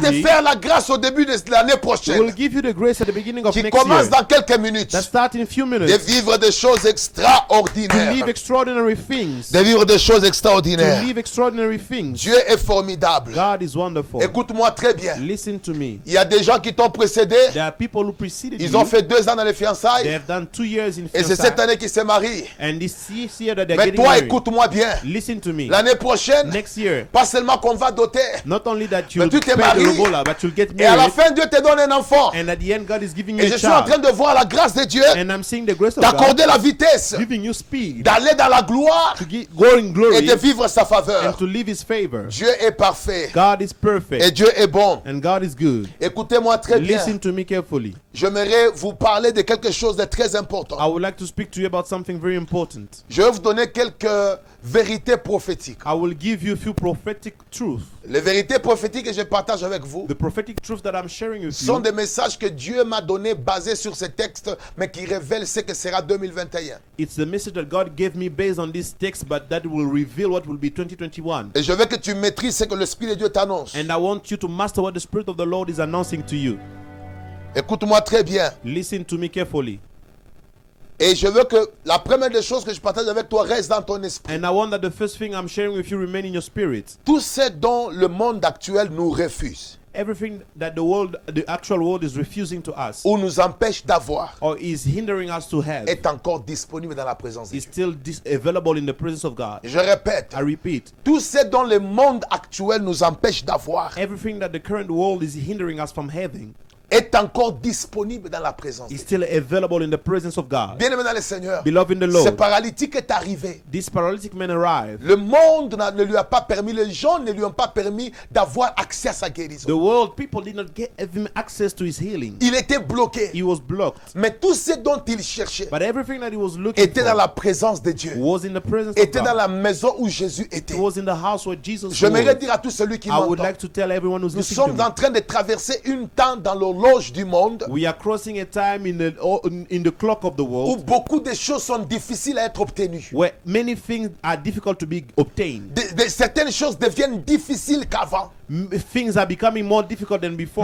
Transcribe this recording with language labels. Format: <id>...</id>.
<fr>va te faire la grâce au début de l'année prochaine,</fr> <en>will give you the grace at the beginning of</en> <fr>qui</fr> <en>next</en> <fr>commence</fr> <en>year,</en> <fr>dans quelques minutes,</fr> <en>that start in few minutes,</en> <fr>de vivre des choses extraordinaires,</fr> <en>to live extraordinary things,</en> <fr>de vivre des choses extraordinaires,</fr> <en>to live extraordinary things.</en> <fr>Dieu est formidable.</fr> <en>God is wonderful.</en> <fr>Écoute-moi très bien.</fr> <en>Listen to me.</en> <fr>Il y a des gens qui t'ont précédé.</fr> <en>There are people who preceded</en> <fr>ils</fr> <en>you.</en> <fr>Ont fait 2 ans dans les fiançailles.</fr> <en>They have done 2 years in</en> <fr>fiançailles. Et c'est cette année qu'ils se marient.</fr> <en>And this year that they're</en> <fr>mais toi, écoute-moi bien.</fr> <en>Listen to me.</en> <fr>L'année prochaine,</fr> <en>next year,</en> <fr>pas seulement qu'on va doter,</fr> <en>not only that you'll</en> <fr>mais tu te maries, rubola,</fr> <en>but you'll get married.</en> <fr>Et à la fin, Dieu te donne un enfant.</fr> <en>And at the end, God is giving</en> <fr>et</fr> <en>you</en> <fr>je</fr> <en>a</en> <fr>suis</fr> <en>child.</en> <fr>En train de voir la grâce de Dieu</fr> <en>and I'm seeing the grace of</en> <fr>d'accorder</fr> <en>God,</en> <fr>la vitesse</fr> <en>giving you speed,</en> <fr>d'aller dans la gloire</fr> <en>to get, go in glory,</en> <fr>et de vivre sa faveur.</fr> <en>And to live his favor.</en> <fr>Dieu est parfait.</fr> <en>God is perfect.</en> <fr>Et Dieu est bon.</fr> <en>And God is good.</en> <fr>Écoutez-moi très bien.</fr> <en>Listen to me carefully.</en> <fr>J'aimerais vous parler de quelque chose de très important.</fr> <en>I would like to speak to you about something very important.</en> <fr>Je vais vous donner quelques vérités prophétiques.</fr> <en>I will give you a few prophetic truths.</en> <fr>Les vérités prophétiques que je partage avec vous,</fr> <en>the prophetic truth that I'm sharing with</en> <fr>sont</fr> <en>you</en> <fr>des messages que Dieu m'a donné basés sur ces textes, mais qui révèlent ce que sera 2021.</fr> <en>It's the message that God gave me based on this text, but that will reveal what will be 2021.</en> <fr>Et je veux que tu maîtrises ce que l'Esprit de Dieu t'annonce.</fr> <en>And I want you to master what the Spirit of the Lord is announcing to you.</en> <fr>Écoute-moi très bien.</fr> <en>Listen to me carefully.</en> <fr>Et je veux que la première des choses que je partage avec toi reste dans ton esprit.</fr> <en>And I want that the first thing I'm sharing with you remain in your spirit.</en> <fr>Tout ce dont le monde actuel nous refuse.</fr> <en>Everything that the world, the actual world is refusing to us.</en> <fr>Ou nous empêche d'avoir.</fr> <en>Or is hindering us to have.</en> <fr>Est encore disponible dans la présence de Dieu.</fr> <en>Is still available in the presence of God.</en> <fr>Je répète.</fr> <en>I repeat.</en> <fr>Tout ce dont le monde actuel nous empêche d'avoir.</fr> <en>Everything that the current world is hindering us from having.</en> <fr>Est encore disponible dans la présence.</fr> <en>Is still available in the presence of God.</en> <fr>Bien-aimé dans le Seigneur.</fr> <en>Beloved in the Lord.</en> <fr>Ce paralytique est arrivé.</fr> <en>This paralytic man arrived.</en> <fr>Le monde ne lui a pas permis, les gens ne lui ont pas permis d'avoir accès à sa guérison.</fr> <en>The world people did not get him access to his healing.</en> <fr>Il était bloqué.</fr> <en>He was blocked.</en> <fr>Mais tout ce dont il cherchait.</fr> <en>But everything that he was looking</en> <fr>était Était dans la présence de Dieu.</fr> <en>Was in the presence</en> <fr>était</fr> <en>of God.</en> <fr>Était dans la maison où Jésus était.</fr> <en>It was in the house where Jesus</en> <fr>je voudrais dire à tout celui qui m'entend.</fr> <en>I would like to tell everyone who's</en> <fr>nous</fr> <en>listening. to me.</en> <fr>En train de traverser une temps dans le l'horloge du monde.</fr> <en>We are crossing a time in the clock of the world.</en> <fr>Où beaucoup de choses sont difficiles à être obtenues.</fr> <en>Where many things are difficult to be obtained.</en> <fr>De certaines choses deviennent difficiles qu'avant.</fr> <en>Things are becoming more difficult than before.</en>